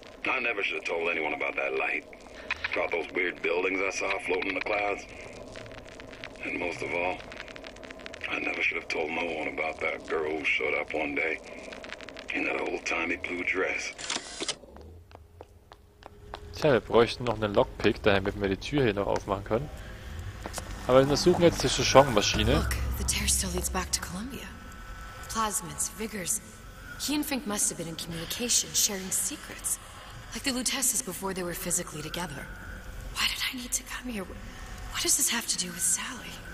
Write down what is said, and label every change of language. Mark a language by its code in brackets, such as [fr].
[en] I never should have told anyone about that light. Got those weird buildings I saw floating in the clouds. And most of all, I never should have told no one about that girl who showed up one day in that old-timey blue dress. [de] Tja, wir bräuchten noch einen Lockpick, damit wir die Tür hier noch aufmachen können. Aber wir suchen jetzt die Shushong-Maschine. [en] Look, the tear still leads back to Columbia. Plasmids, Vigors. He and Fink must have been in communication, sharing secrets. Like the Lutesses before they were physically together. Why did I need to come here? What does this have to do with Sally?